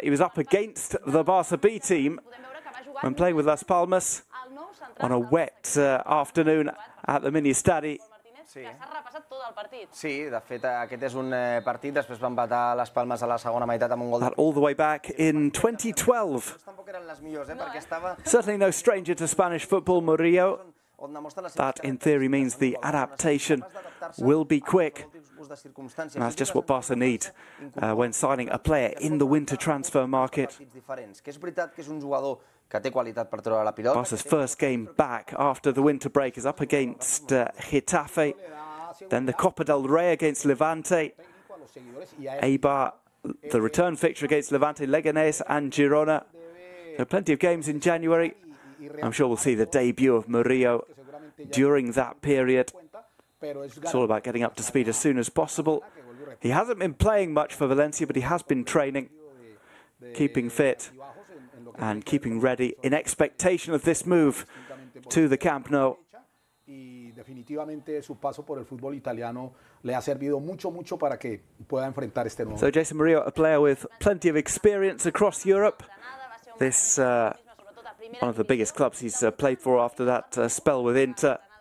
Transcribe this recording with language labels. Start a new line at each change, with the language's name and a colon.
English: He was up against the Barça B team when playing with Las Palmas on a wet afternoon at the mini estadi.
Catalan: Sí, de fet, aquest és un partit. Després va empatar Las Palmas a la segona meitat amb un gol.
English: All the way back in 2012.
Catalan: Tampoc eren les millors, perquè estava...
English: Certainly no stranger to Spanish football, Murillo. That, in theory, means the adaptation will be quick. And that's just what Barça need when signing a player in the winter transfer market.
Catalan: És veritat que és un jugador que té qualitat per treure la pilota.
English: Barça's first game back after the winter break is up against Getafe, then the Copa del Rey against Levante, Eibar, the return fixture against Levante, Leganés and Girona. There are plenty of games in January. I'm sure we'll see the debut of Murillo during that period. It's all about getting up to speed as soon as possible. He hasn't been playing much for Valencia, but he has been training, keeping fit and keeping ready in expectation of this move to the Camp Nou.
Spanish: Y definitivamente su paso por el fútbol italiano le ha servido mucho, mucho para que pueda enfrentar este nuevo.
English: So Jason Murillo, a player with plenty of experience across Europe. This one of the biggest clubs he's played for after that spell with Inter.